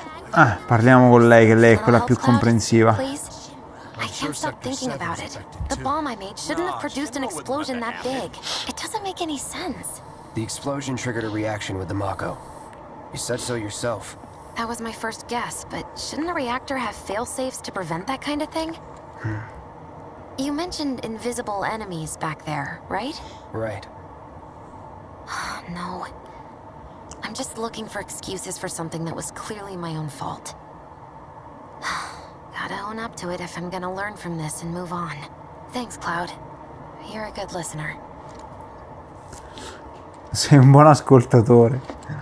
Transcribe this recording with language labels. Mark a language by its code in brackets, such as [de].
[it] Ah, parliamo con lei, che lei è quella più comprensiva. [en] I can't stop thinking about it. The bomb I made shouldn't have produced an explosion that big. It doesn't make any sense. The explosion triggered a reaction with the Mako. You said so yourself. That was my first guess, but shouldn't a reactor have fail-safes to prevent that kind of thing? You mentioned invisible enemies back there, right? Right. Oh, no. I'm just looking for excuses for something that was clearly my own fault. Gotta own up to it if I'm gonna learn from this and move on. Thanks, Cloud. You're a good listener. [it] Sei un buon ascoltatore.